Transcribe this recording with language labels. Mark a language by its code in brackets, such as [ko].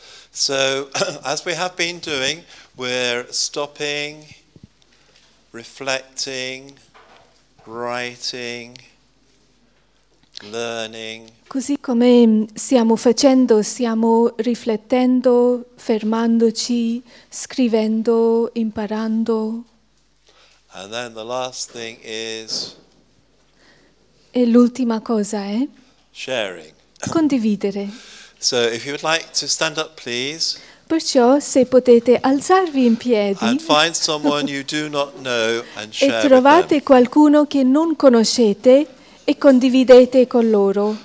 [en] So, as we have been doing, we're stopping, reflecting, writing, learning. [it] Così come stiamo facendo, stiamo riflettendo, fermandoci, scrivendo, imparando. [en] And then the last thing is. [it] E l'ultima cosa è. [en] Sharing. [it] Condividere. [en] So if you would like to stand up, please. [it] Perciò, se potete alzarvi in piedi. [en] And find someone you do not know and share. [it] E trovate qualcuno che non conoscete e condividete con loro.